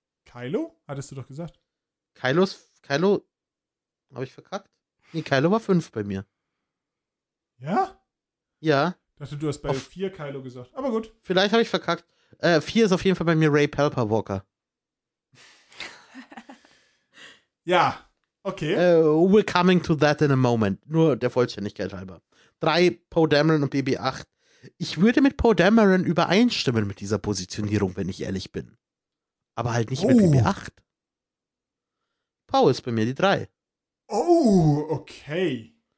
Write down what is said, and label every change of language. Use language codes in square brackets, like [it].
[de] Kylo? Hattest du doch gesagt. Kylo habe ich verkackt? Nee, Kylo war 5 bei mir. Ja? Ja. Ich dachte, du hast bei 4 Kylo gesagt. Aber gut. Vielleicht habe ich verkackt. 4 ist auf jeden Fall bei mir Rey Palpawalker. Ja, okay. [en] We're coming to that in a moment. [de] Nur der Vollständigkeit halber. 3, Poe Dameron und BB-8. Ich würde mit Poe Dameron übereinstimmen mit dieser Positionierung, wenn ich ehrlich bin. Aber halt nicht mit BB-8. Poe ist bei mir die 3. Oh, okay.